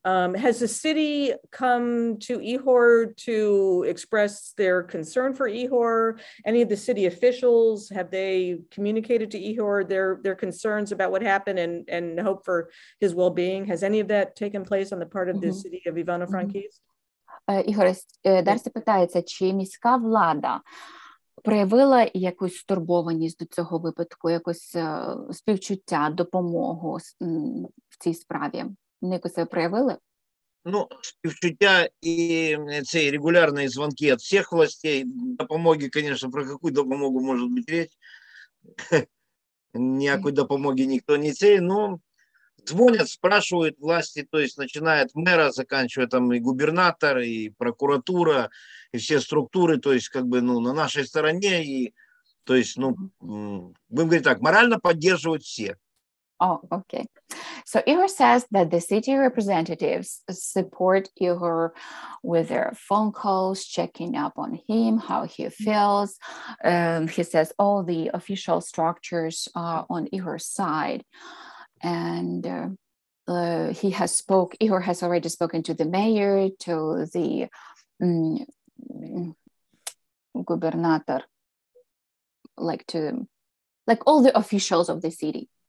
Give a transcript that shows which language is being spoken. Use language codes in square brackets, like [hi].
[en] Has the city come to Igor to express their concern for Igor? Any of the city officials, have they communicated to Igor their concerns about what happened and hope for his well-being? Has any of that taken place on the part of mm-hmm. the city of Ivano-Frankivsk? Mm-hmm. [uk] Igor, Дарсі питається, чи міська влада проявила якусь стурбованість до цього випадку, якось співчуття, допомогу в цій справі? Вони якось себе проявили? Ну, співчуття і ці регулярні дзвінки від всіх властей, допомоги, звісно, про яку допомогу може бути річ, ніякої допомоги ніхто не цей, але дзвонять, спрашують власті, тобто починає мера, закінчує там і губернатор, і прокуратура, і всі структури, тобто якби, ну, на нашій стороні, і тобто, ну, будемо говорити так, морально підтримують всіх. [en] Oh, okay. So Igor says that the city representatives support Igor with their phone calls, checking up on him, how he feels. He says all the official structures are on Igor's side. And he has spoke, Igor has already spoken to the mayor, to the gubernator, like all the officials of the city.